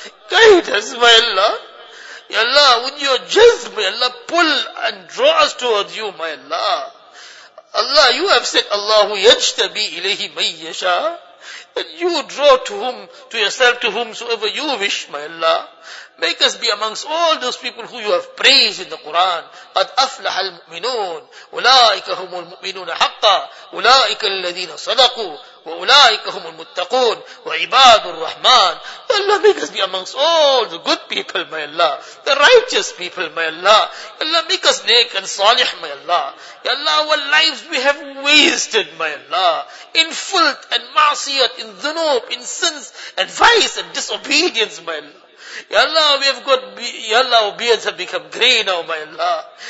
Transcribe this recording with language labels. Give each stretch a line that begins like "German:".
English: Guide us, my Allah. Ya Allah, with your jizz, my Allah, pull and draw us towards you, my Allah. Allah, you have said,
Arabic: Allahu yajtabi ilayhi mayyasha.
English: And you draw to whom, to yourself, to whomsoever you wish, my Allah. Make us be amongst all those people who you have praised in the Quran.
Arabic: قَدْ أَفْلَحَ الْمُؤْمِنُونَ أُولَٰئِكَ هُمُ الْمُؤْمِنُونَ حَقَّ أُولَٰئِكَ الَّذِينَ صَدَقُوا وَأُولَٰئِكَ هُمُ الْمُتَّقُونَ وَعِبَادُ الرَّحْمَنِ
English: Allah, make us be amongst all the good people, my Allah. The righteous people, my Allah. Allah, make us naked and salih, my Allah. Ya Allah, our lives we have wasted, my Allah. In filth and ma'asiyat, in dhunub, in sins, and vice and disobedience, my Allah. Ya Allah, we have got, Ya Allah, our beards have become grey now, my Allah.